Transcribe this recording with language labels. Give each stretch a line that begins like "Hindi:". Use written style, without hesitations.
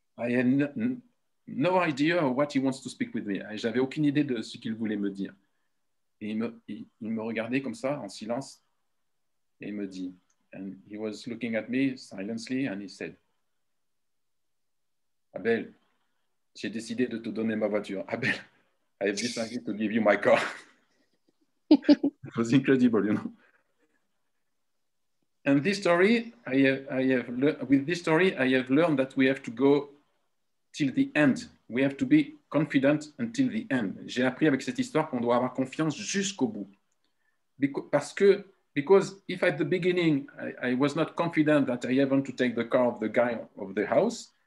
English: I had no idea what he wants to speak with me.
French: J'avais aucune idée de ce qu'il voulait me dire. Et il me regardait comme ça en silence, et il me dit.
English: And he was looking at me silently, and he said, Abel,
French: j'ai décidé de te donner ma voiture.
English: Abel, I have decided to give you my car. It was incredible, you know. And this story, I have learned that we have to go till the end. We have to be confident until the end.
French: J'ai appris avec cette histoire qu'on doit avoir confiance jusqu'au bout.
English: Because if at the beginning I was not confident that I have to take the car of the guy of the house.